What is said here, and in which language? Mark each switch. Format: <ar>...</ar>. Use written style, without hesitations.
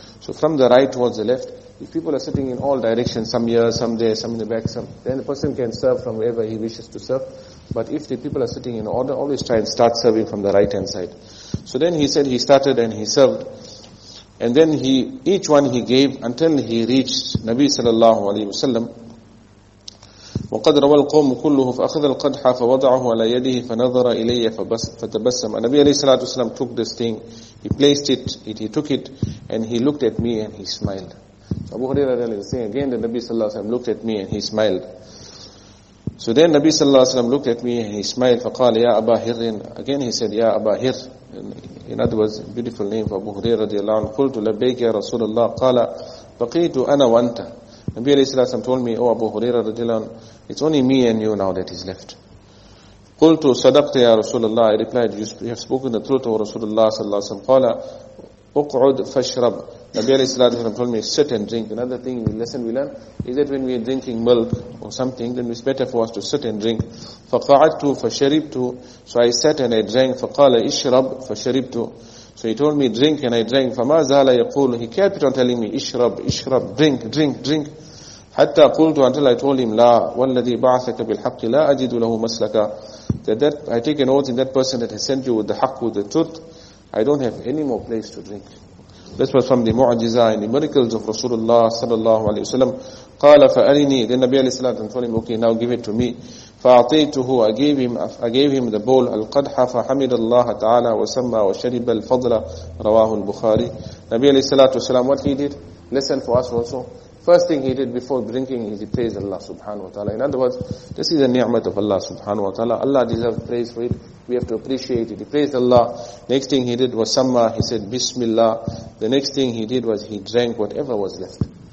<en>So from the right towards the left, if people are sitting in all directions, some here, some there, some in the back, some, then the person can serve from wherever he wishes to serve. But if the people are sitting in order, always try and start serving from the right hand side. So then he said he started and he served. And then each one he gave until he reached Nabi sallallahu alayhi wa sallam.</en> <ar>وقد روى القوم كله فأخذ القدح فوضعه على يده فنظر إلي فتبسم.</ar> <en>النبي عليه الصلاة والسلام took this thing, he placed it, he took it, and he looked at me and he smiled. So Abu Huraira is saying again, the Nabi صلى الله عليه وسلم looked at me and he smiled. So then Nabi صلى الله عليه وسلم looked at me and he smiled.</en> <ar>فقال يا أبا هر.</ar> <en>Again he said</en> <ar>يا أبا هر.</ar> <en>In other words, beautiful name for Abu Huraira رضي الله عنه.</en> <ar>قلت لبيك يا رسول الله قال بقيت أنا وأنت.</ar> <en>Nabi alayhi salallahu alayhi wa sallam told me, O Abu Huraira radiallahu anhu, it's only me and you now that is left.</en> <ar>Qultu sadaqta ya Rasulullah.</ar> <en>I replied, you have spoken the truth, O Rasulullah sallallahu alayhi wa sallam.</en> <ar>Qala, uq'ud fashrab.</ar> <en>Nabi alayhi salallahu alayhi wa sallam told me, sit and drink. Another thing, the lesson we learn, is that when we are drinking milk or something, then it's better for us to sit and drink.</en> <ar>Faqa'adtu fasharibtu.</ar> <en>So I sat and I drank.</en> <ar>Faqala ishrab fasharibtu.</ar> <en>So he told me, drink, and I drank.</en> <ar>فَمَا زَالَ يَقُولُ.</ar> <en>He kept on telling me,</en> <ar>ishrab, ishrab,</ar> <en>drink, drink, drink.</en> <ar>حَتَّى قُلْتُ.</ar> <en>Until I told him,</en> <ar>لَا وَالَّذِي بَعْثَكَ بِالْحَقِّ لَا أَجِدُ لَهُ مَسْلَكَ.</ar> <en>That I take an oath in that person that has sent you with the haqq, with the truth, I don't have any more place to drink. This was from the mu'ajiza and the miracles of Rasulullah sallallahu alayhi wa sallam.</en> <ar>قَالَ فَأَرِنِي.</ar> <en>Then Nabi alayhi salatu and told him, okay, now give it to me.</en> <ar>فأعطيته.</ar> <en>I gave him the bowl القدح.</en> <ar>فحمد الله تعالى وسمى وشرب الفضل رواه البخاري.</ar> <en>Nabi عليه الصلاة والسلام, what he did, listen for us also. First thing he did before drinking is he praised Allah subhanahu wa ta'ala. In other words, this is a ni'mat of Allah subhanahu wa ta'ala. Allah deserves praise for it. We have to appreciate it. He praised Allah. Next thing he did was سمى. He said Bismillah. The next thing he did was he drank whatever was left.</en>